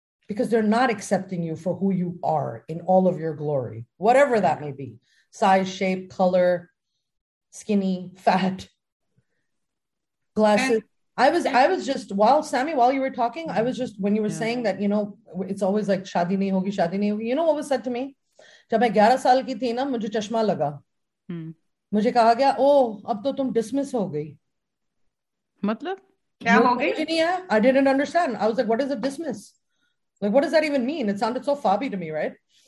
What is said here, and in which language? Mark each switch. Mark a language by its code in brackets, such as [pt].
[en] Because they're not accepting you for who you are in all of your glory. Whatever that may be. Size, shape, color, skinny, fat, glasses. While you were talking, saying that, you know, it's always like [ur] شادی نہیں ہوگی، شادی نہیں ہوگی. [en] You know what was said to me? [ur] جب میں 11 سال کی تھی نا، مجھے چشمہ لگا. مجھے کہا گیا، اوہ، اب تو تم ڈسمس ہو گئی. Matlab? Kya ho gayi? [en] I didn't understand. I was like, what is a dismiss? Like, what does that even mean? It sounded so fobby to me, right?